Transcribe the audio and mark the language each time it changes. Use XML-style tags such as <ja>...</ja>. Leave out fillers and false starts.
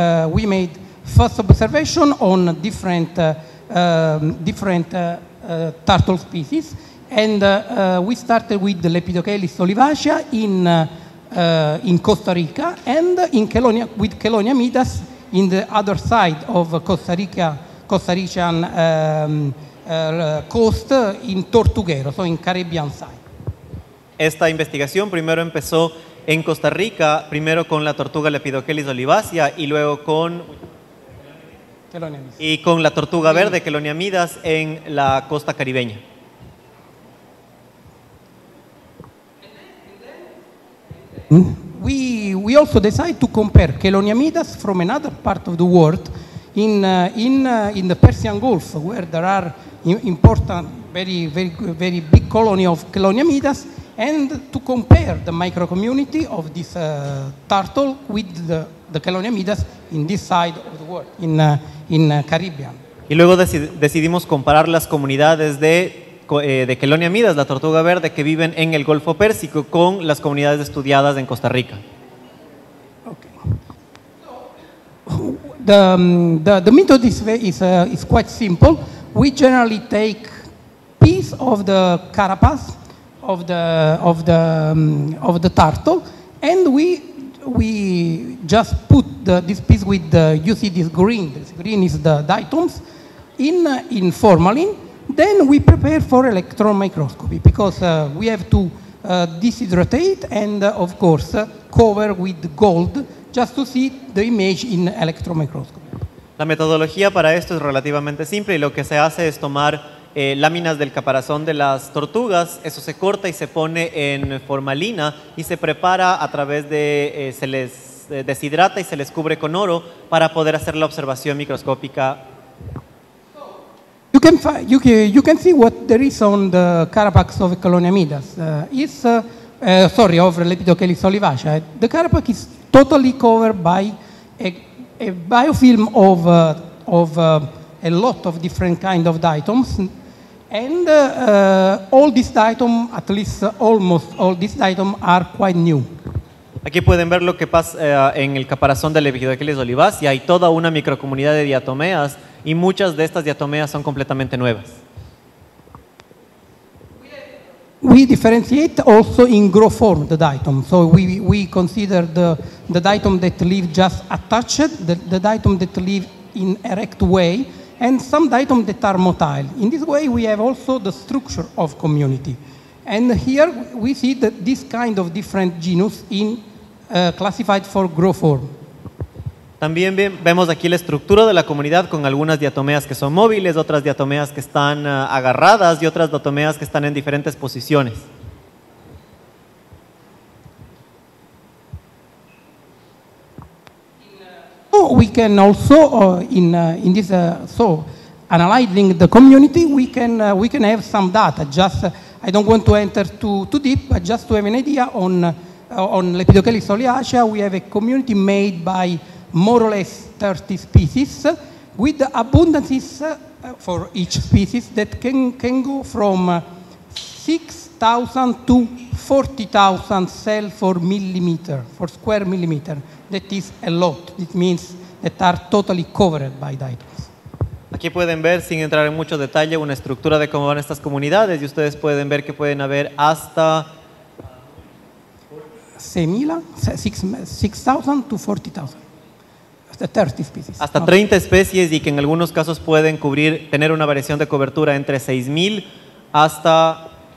<en>We made first observation on different turtle species, and we started with the Lepidochelys olivacea in Costa Rica and in Kelonia, with Kelonia midas in the other side of Costa Rican coast in Tortuguero, so in Caribbean side.</en> <es>Esta investigación primero empezó en Costa Rica, primero con la tortuga Lepidochelys olivacea y luego con Kelonia midas. Y con la tortuga verde Kelonia midas en la costa caribeña.</es> <en>We also decided to compare Kelonia midas from another part of the world in the Persian Gulf, where there are important, very, very, very big colony of Kelonia midas, and to compare the micro community of this turtle with the Kelonia midas in this side of the world, in Caribbean.</en> <es>Y luego decidimos comparar las comunidades de Kelonia midas, la tortuga verde, que viven en el Golfo Pérsico, con las comunidades estudiadas en Costa Rica.</es> <en>Okay. The method is quite simple. We generally take piece of the carapace of the turtle, and we just put this piece with the, you see this green. This green is the diatoms in formalin. Then we prepare for electron microscopy, because we have to deshydrate and, of course, cover with gold just to see the image in electron microscopy.</en> <es>La metodología para esto es relativamente simple, y lo que se hace es tomar láminas del caparazón de las tortugas, eso se corta y se pone en formalina y se prepara a través de, se les deshidrata y se les cubre con oro para poder hacer la observación microscópica.</es> <en>You can see what there is on the carapax of Kelonia midas. Of Lepidochelys olivacea. The carapax is totally covered by a biofilm of a lot of different kind of diatoms, and all these diatoms, at least almost all these diatoms, are quite new.</en> <es>Aquí pueden ver lo que pasa en el caparazón de Lepidochelys olivacea, y hay toda una microcomunidad de diatomeas, y muchas de estas diatomeas son completamente nuevas.</es> <en>We differentiate also in growth form the diatom. So we consider the diatom that live just attached, the diatom that live in erect way, and some diatom that are motile. In this way we have also the structure of community. And here we see that this kind of different genus in classified for growth form.</en> <es>También vemos aquí la estructura de la comunidad con algunas diatomeas que son móviles, otras diatomeas que están agarradas y otras diatomeas que están en diferentes posiciones.</es> <en>We can also in this analyzing the community, we can have some data. Just I don't want to enter too deep, but just to have an idea on Lepidochelys olivacea, we have a community made by more or less 30 species, with abundances for each species that can go from 6,000 to 40,000 cell for millimeter, for square millimeter. That is a lot. It means that are totally covered by diatoms.</en> <es>Aquí pueden ver, sin entrar en mucho detalle, una estructura de cómo van estas comunidades. Y ustedes pueden ver que pueden haber hasta</es> <en>6,000 to 40,000.</en> <es>Hasta 30 especies. Hasta 30 especies y que en algunos casos pueden cubrir, tener una variación de cobertura entre 6,000 hasta</es>